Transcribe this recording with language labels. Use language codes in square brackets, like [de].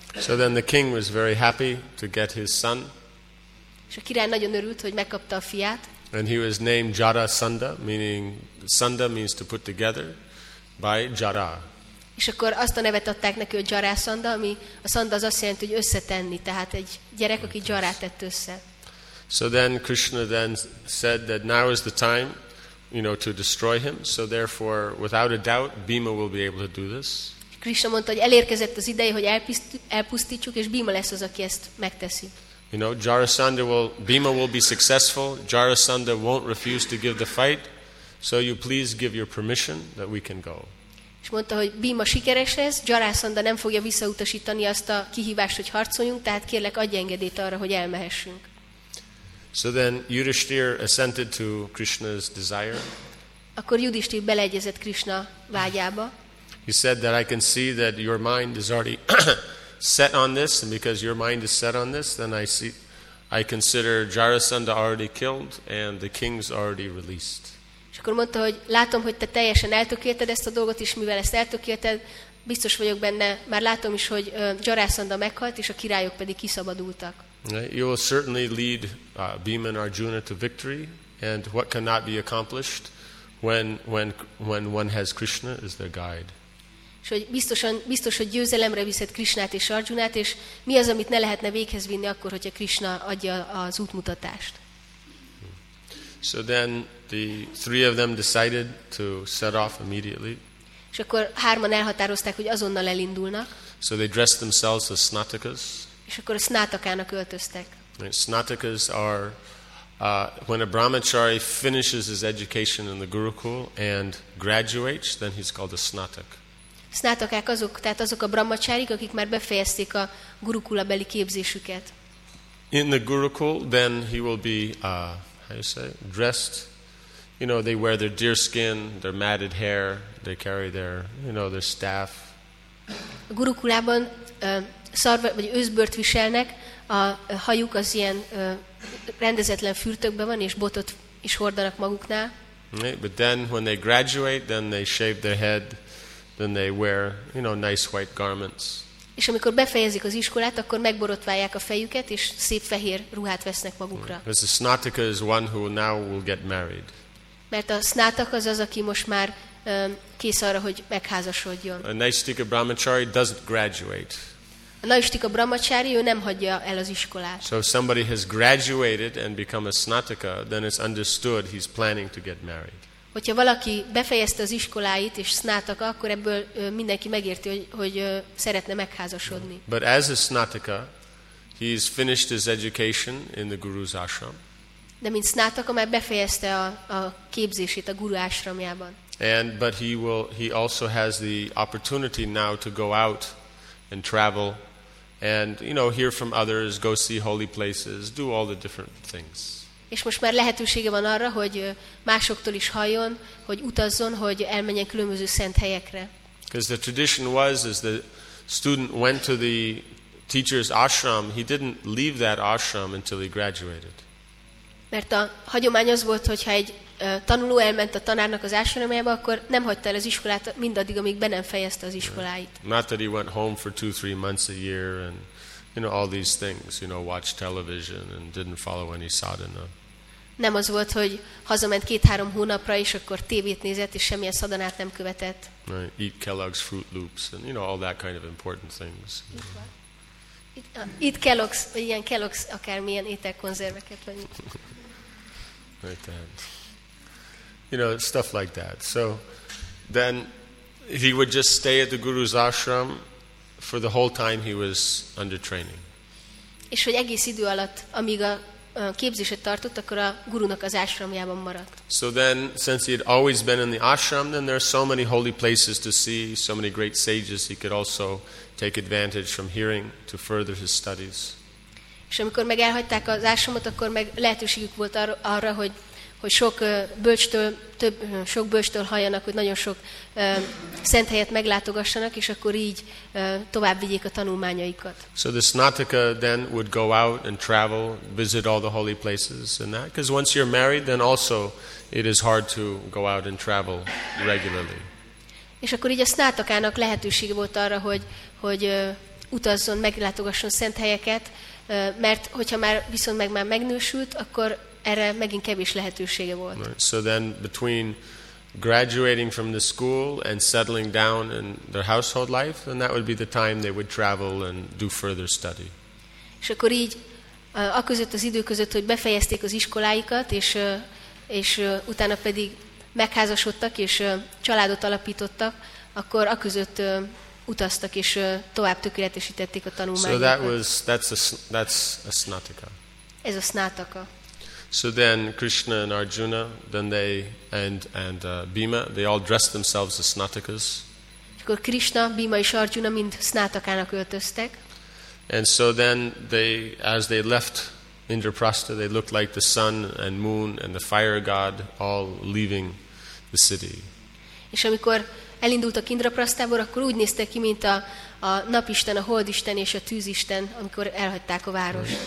[en] So then the king was very happy to get his son. [hu] És a király nagyon örült, hogy megkapta a fiát. [en] And he was named Jarasandha, meaning Sandha means to put together, by Jara. [hu] És akkor azt a nevet adták neki, hogy Jarasandha, ami a Sandha az azt jelenti, hogy összetenni, tehát egy gyerek, aki Jarát tett össze. [en] So then Krishna then said that now is the time, you know, to destroy him. So therefore, without a doubt, Bhima will be able to do this. [hu] Krishna mondta, hogy elérkezett az ideje, hogy elpusztítsuk, és Bhima lesz az, aki ezt megteszi. [en] You know, Jarasandha will, Bhima will be successful. Jarasandha won't refuse to give the fight. So you please give your permission that we can go. [hu] És mondta, hogy Bhima sikeres lesz, Jarasandha nem fogja visszautasítani azt a kihívást, hogy harcoljunk, tehát kérlek, adj engedélyt arra, hogy elmehessünk. [en] So then Yudhishthir assented to Krishna's desire. [hu] Akkor Yudhishthir beleegyezett Krishna vágyába. [en] He said that I can see that your mind is already set on this, and because your mind is set on this, then I consider Jarasandha already killed and the king's already released. [hu] És akkor mondta, hogy látom, hogy te teljesen eltökélted ezt a dolgot is, mivel ezt eltökélted, biztos vagyok benne, már látom is, hogy Jarasandha meghalt, és a királyok pedig kiszabadultak. [en] You will certainly lead Bhima and Arjuna to victory, and what cannot be accomplished when one has Krishna as their guide. [hu] És hogy biztos, hogy győzelemre viszed Krishnát és Arjunát, és mi az, amit ne lehetne véghez vinni akkor, hogyha Krishna adja az útmutatást. [en] So then the three of them decided to set off immediately. [hu] És akkor hárman elhatározták, hogy azonnal elindulnak. [en] So they dressed themselves as snatakas. [hu] És akkor a snatakának öltöztek. [en] And snatakas are when a brahmachari finishes his education in the gurukul and graduates, then he's called a snatak. [hu] Snatakák azok, tehát azok a brahmacharik, akik már befejezték a gurukulabeli képzésüket. [en] In the gurukul, then he will be how you say, dressed. You know, they wear their deer skin, their matted hair, they carry their, you know, their staff. [hu] A gurukulában szarva vagy őzbört viselnek, a hajuk az ilyen rendezetlen fürtökben van, és botot is hordanak maguknál. [en] Right, but then when they graduate, then they shave their head, then they wear, you know, nice white garments. [hu] És amikor befejezik az iskolát, akkor megborotválják a fejüket, és szép fehér ruhát vesznek magukra. [en] Right. The snataka is one who now will get married. [hu] Mert a snataka az, aki most már kész arra, hogy megházasodjon. [en] A naistika brahmachari doesn't graduate. [hu] A naistika brahmachari, ő nem hagyja el az iskolát. [en] So if somebody has graduated and become a snataka, then it's understood he's planning to get married. [hu] Hogyha valaki befejezte az iskoláit és snataka, akkor ebből mindenki megérti, hogy szeretne megházasodni. [en] But as a snataka, he's finished his education in the guru's ashram. [hu] De mint snataka már befejezte a képzését a guru ashramjában. [en] And but he also has the opportunity now to go out and travel and, you know, hear from others, go see holy places, do all the different things. [hu] És most már lehetősége van arra, hogy másoktól is halljon, hogy utazzon, hogy elmenjen különböző szent helyekre. [en] Because the tradition was, as the student went to the teacher's ashram, he didn't leave that ashram until he graduated. [hu] Mert a hagyomány az volt, hogyha egy tanuló elment a tanárnak az ásványomába, akkor nem hagyta el az iskolát mindaddig, amíg be nem fejezte az iskoláit. [en] Not that he went home for 2-3 months a year and you know all these things, you know, watch television and didn't follow any sadhana. [hu] Nem az volt, hogy hazament 2-3 hónapra és akkor tévét nézett és semmilyen szadanát nem követett. [en] Right. Eat Kellogg's Fruit Loops and you know all that kind of important things. [hu] Itt Kellogg's, ilyen Kellogg's akármilyen ételkonzerveket vagy. [en] Right then. You know, stuff like that. So then he would just stay at the guru's ashram for the whole time he was under training. [hu] És hogy egész idő alatt, amíg a képzéset tartott, akkor a gurunak az ashramjában maradt. [en] So then, since he had always been in the ashram, then there are so many holy places to see, so many great sages he could also take advantage from hearing to further his studies. [hu] És amikor meg elhagyták az ashramot, akkor meg lehetőségük volt arra, hogy sok bölcstől, több sok bölcstől halljanak, hogy nagyon sok szent helyet meglátogassanak, és akkor így tovább vigyék a tanulmányaikat. [en] So the snataka then would go out and travel, visit all the holy places and that, because once you're married, then also it is hard to go out and travel regularly. [hu] És akkor így a snatakának lehetőség volt arra, hogy utazzon, meglátogasson szent helyeket, mert hogyha már viszont meg már megnősült, akkor erre megint kevés lehetősége volt. [en] Right. So then between graduating from the school and settling down in their household life, then that would be the time they would travel and do further study. [hu] És akkor így a között az idő között, hogy befejezték az iskoláikat, és utána pedig megházasodtak és családot alapítottak, akkor a között utaztak és tovább tökéletesítették a tanulmányokat. [en] So that's a snataka. [hu] Ez a snataka. [en] So then Krishna and Arjuna, then they and Bhima, they all dressed themselves as snatakas. [hu] Akkor Krishna, Bhima és Arjuna mind snatakának öltöztek. [en] And so then they, as they left Indraprastha, they looked like the sun and moon and the fire god all leaving the city. [hu] És amikor elindultak Indraprasthából, akkor úgy néztek ki, mint a napisten, a holdisten és a tűzisten, amikor elhagyták a várost.